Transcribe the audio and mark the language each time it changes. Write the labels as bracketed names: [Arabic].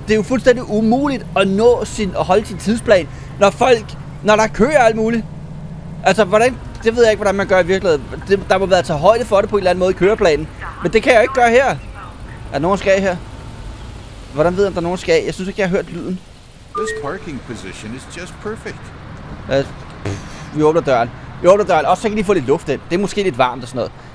[Danish] Det er jo fuldstændig umuligt at nå sin og holde sin tidsplan, når der er køer alt muligt. Altså, hvordan, det ved jeg ikke, hvordan man gør i virkeligheden. Der må være at tage højde for det på en eller anden måde i køreplanen. Men det kan jeg ikke gøre her. Er nogen skag her? Hvordan ved jeg, om der er nogen skag? Jeg synes ikke, jeg har hørt lyden. [English] This parking position is just perfect. [Danish] Vi åbner døren. Og så kan de få lidt luft ind. Det er måske lidt varmt og sådan noget.